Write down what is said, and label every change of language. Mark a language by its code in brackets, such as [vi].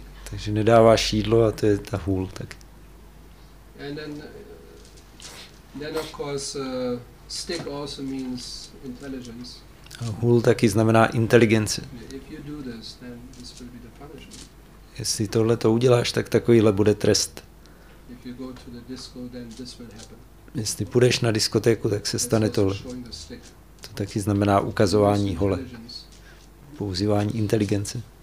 [cs] Takže nedáváš jídlo a to je ta hůl tak. [en] And then of course stick also means intelligence. [cs] A hůl taky znamená inteligence. [en] If you do this, then this will be the punishment. [cs] Jestli tohle to uděláš, tak takovýhle bude trest. [en] If you go to the disco, then this will happen. [cs] Jestli půjdeš na diskotéku, tak se stane tohle. To taky znamená ukazování hole. Používání inteligence.